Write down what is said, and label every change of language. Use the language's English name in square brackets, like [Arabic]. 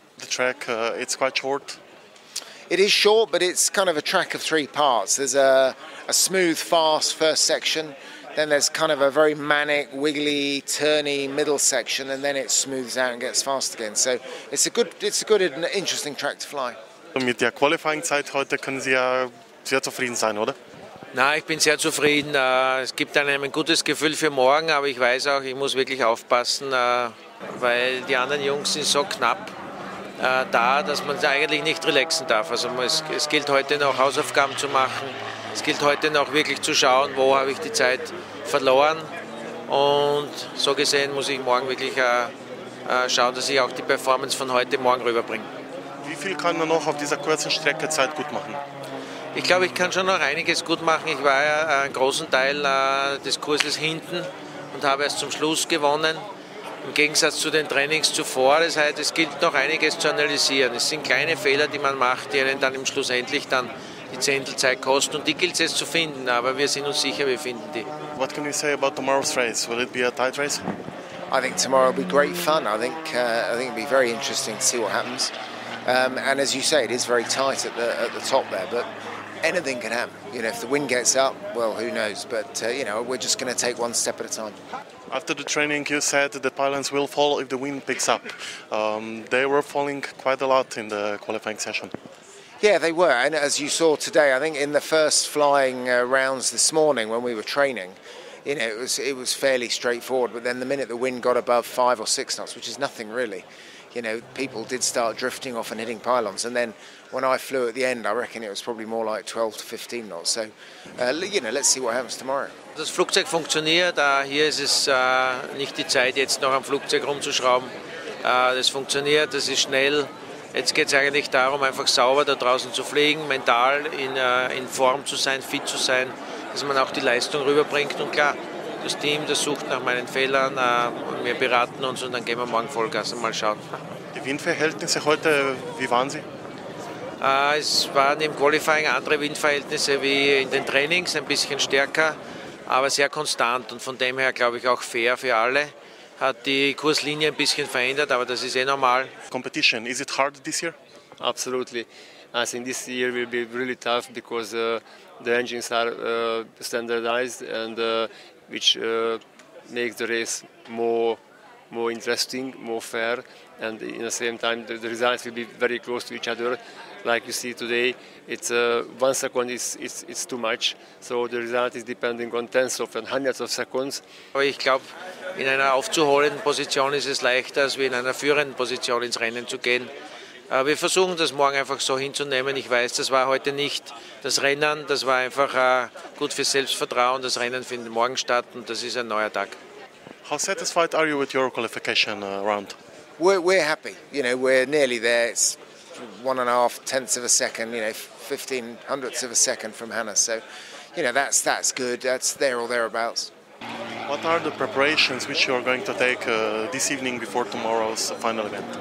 [English] The track, it's quite short. It is short, but it's kind of a track of three parts. There's a smooth, fast first section. Then there's kind of a very manic, wiggly, turny middle section, and then it smooths out and gets fast again. So it's a good and interesting track to fly. [German] Mit der Qualifying Zeit heute können Sie ja sehr zufrieden sein, oder? Na, ich bin sehr zufrieden. Es gibt einem ein gutes Gefühl für morgen, aber ich weiß auch, ich muss wirklich aufpassen, weil die anderen Jungs sind so knapp da, dass man eigentlich nicht relaxen darf. Also es gilt heute noch Hausaufgaben zu machen. Es gilt heute noch wirklich zu schauen, wo habe ich die Zeit verloren. Und so gesehen muss ich morgen wirklich schauen, dass ich auch die Performance von heute morgen rüberbringe. Wie viel kann man noch auf dieser kurzen Strecke Zeit gut machen? Ich glaube, ich kann schon noch einiges gut machen. Ich war ja einen großen Teil des Kurses hinten und habe erst zum Schluss gewonnen. Im Gegensatz zu den Trainings zuvor. Das heißt, es gilt noch einiges zu analysieren. Es sind kleine Fehler, die man macht, die einen dann im Schlussendlich dann die Zehntelzeit kosten, und die gilt es jetzt zu finden, aber wir sind uns sicher, wir finden die. [English] What can you say about tomorrow's race? Will it be a tight race? I think tomorrow will be great fun. I think it'll be very interesting to see what happens. And as you say, it is very tight at the top there, but anything can happen. You know, if the wind gets up, well, who knows? But, you know, we're just going to take one step at a time. After the training, you said that the pylons will fall if the wind picks up. They were falling quite a lot in the qualifying session. Yeah, they were, and as you saw today, I think in the first flying rounds this morning when we were training, you know, it was fairly straightforward, but then the minute the wind got above 5 or 6 knots, which is nothing really, you know, people did start drifting off and hitting pylons, and then when I flew at the end, I reckon it was probably more like 12 to 15 knots, so, you know, let's see what happens tomorrow. [German] Das Flugzeug funktioniert, hier ist es nicht die Zeit, jetzt noch am Flugzeug rumzuschrauben. Das funktioniert, das ist schnell. Jetzt geht es eigentlich darum, einfach sauber da draußen zu fliegen, mental in Form zu sein, fit zu sein, dass man auch die Leistung rüberbringt. Und klar, das Team, das sucht nach meinen Fehlern, mir beraten uns, und dann gehen wir morgen Vollgas und mal schauen. Die Windverhältnisse heute, wie waren sie? Es waren im Qualifying andere Windverhältnisse wie in den Trainings, ein bisschen stärker, aber sehr konstant und von dem her, glaube ich, auch fair für alle. Hat die Kurslinie ein bisschen verändert, aber das ist eh normal. [English] Competition, is it hard this year? Absolutely. I think this year will be really tough because the engines are standardized, and which makes the race more interesting, more fair, and in the same time the results will be very close to each other. Like you see today, it's 1 second is too much. So the result is depending on tens of and hundreds of seconds. [German] Aber ich glaube, in einer aufzuholenden Position ist es leichter, als wie in einer führenden Position ins Rennen zu gehen. Aber wir versuchen das morgen einfach so hinzunehmen. Ich weiß, das war heute nicht das Rennen. Das war einfach gut für Selbstvertrauen. Das Rennen findet morgen statt und das ist ein neuer Tag. [English] How satisfied are you with your qualification round? We're happy. You know, we're nearly there. It's 1.5 tenths of a second, you know, 1/15 hundredths of a second from Hannah. So, you know, that's good. That's there or thereabouts. What are the preparations which you are going to take this evening before tomorrow's final event?